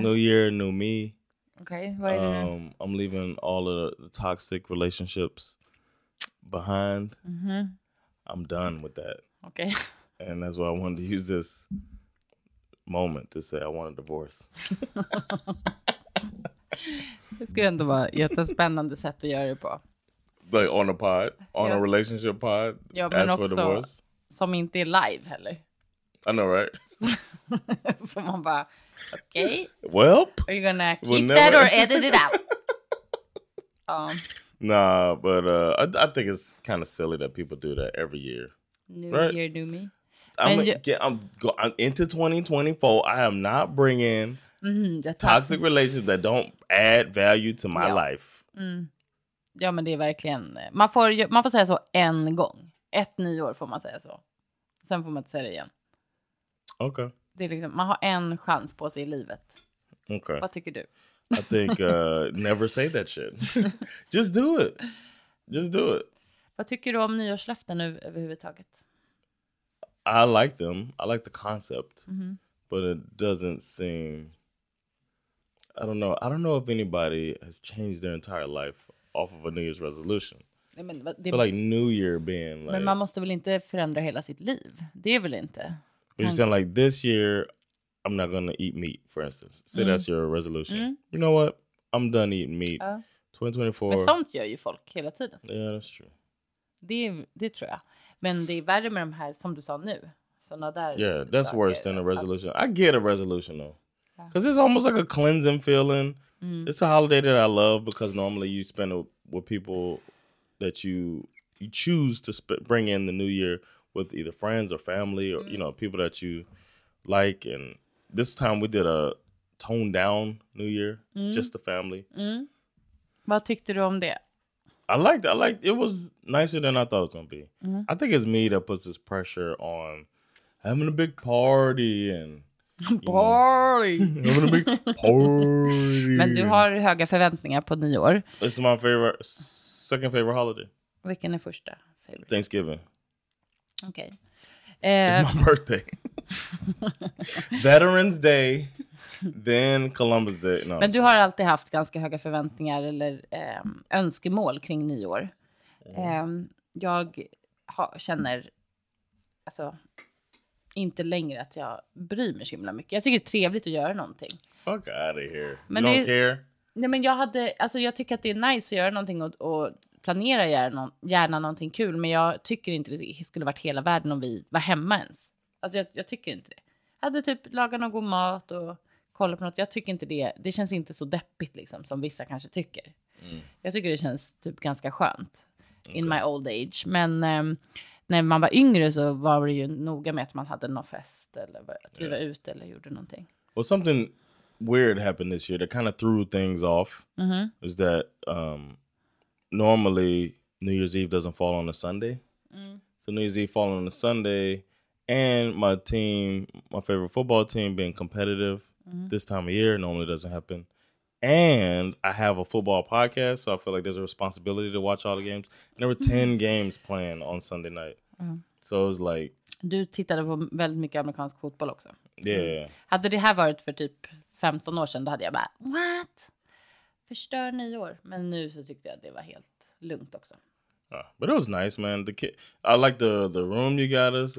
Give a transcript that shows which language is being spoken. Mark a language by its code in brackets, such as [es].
[en] New year, new me. Okay, what are you doing? I'm leaving all of the toxic relationships behind. Mm-hmm. I'm done with that. Okay. And that's why I wanted to use this moment to say I want a divorce. [sv] Det skulle ändå vara jättespännande sätt att göra det på. [en] Like on a pod, on a relationship pod. [sv] Ja, men [en] ask for [sv] också divorce. Som inte är live heller. [en] I know, right? [sv] Så man bara... Okay. [en] Well, are you gonna keep that or edit it out? Nah, but I think it's kind of silly that people do that every year. New year, new me. I'm into 2024. I am not bringing toxic relationships that don't add value to my life. Mm. [sv] Ja, men det är verkligen man får säga så en gång. Ett nyår får man säga så. Sen får man inte säga det igen. [en] Okay. [sv] Det är liksom, man har en chans på sig i livet. [en] Okay. [sv] Vad tycker du? [en] I think never say that shit. Just do it. Just do it. [sv] Vad tycker du om nyårslöften nu överhuvudtaget? [en] I like them. I like the concept. Mm-hmm. But it doesn't seem... I don't know. I don't know if anybody has changed their entire life off of a New Year's resolution. But like New Year being like... [sv] Men man måste väl inte förändra hela sitt liv? Det är väl inte... [en] You're saying like this year, I'm not gonna eat meat, for instance. Say that's your resolution. Mm. You know what? I'm done eating meat. 2024. [sv] Men sånt gör ju folk hela tiden. [en] Ja, yeah, that's true. [sv] Det tror jag. Men det är värre med de här som du sa nu. Såna där. [en] Yeah, that's worse than a resolution. I get a resolution though. Because it's almost like a cleansing feeling. Mm. It's a holiday that I love because normally you spend it with people that you choose to bring in the new year. With either friends or family or, you know, people that you like. And this time we did a toned down New Year, just the family. [sv] Mm. Vad tyckte du om det? [en] I liked it. It was nicer than I thought it was going to be. Mm. I think it's me that puts this pressure on having a big party and... Party! Know, having a big party. [sv] Men du har höga förväntningar på nyår. [en] It's my second favorite holiday. [sv] Vilken är första favorite? [en] Thanksgiving. Okay. It's my birthday. Veterans Day, then Columbus Day. No. [sv] Men du har alltid haft ganska höga förväntningar eller önskemål kring nyår. Jag känner alltså inte längre att jag bryr mig så himla mycket. Jag tycker det är trevligt att göra någonting. [en] Fuck out of here. Men you don't care. [sv] Nej, men jag tycker att det är nice att göra någonting och planera gärna någonting kul, men jag tycker inte det skulle varit hela världen om vi var hemma ens. Alltså jag tycker inte det. Jag hade typ lagat någon god mat och kollat på något. Jag tycker inte det. Det känns inte så deppigt liksom som vissa kanske tycker. Mm. Jag tycker det känns typ ganska skönt [en] in my old age, [sv] men när man var yngre så var det ju noga med att man hade någon fest eller att vi var ute eller gjorde någonting. [en] Well, something weird happened this year that kind of threw things off. Mm-hmm. Is that normally, New Year's Eve doesn't fall on a Sunday. Mm. So New Year's Eve falling on a Sunday, and my team, my favorite football team, being competitive this time of year normally doesn't happen. And I have a football podcast, so I feel like there's a responsibility to watch all the games. And there were 10 games playing on Sunday night. Mm. So it was like... [sv] Du tittade på väldigt mycket amerikansk fotboll också. [en] Yeah. [sv] Hade det här varit för typ 15 år sedan, då hade jag bara, what? Förstör nyår. Men nu så tyckte jag att det var helt lugnt också. [en] Yeah, but it was nice, man. I like the room you got us.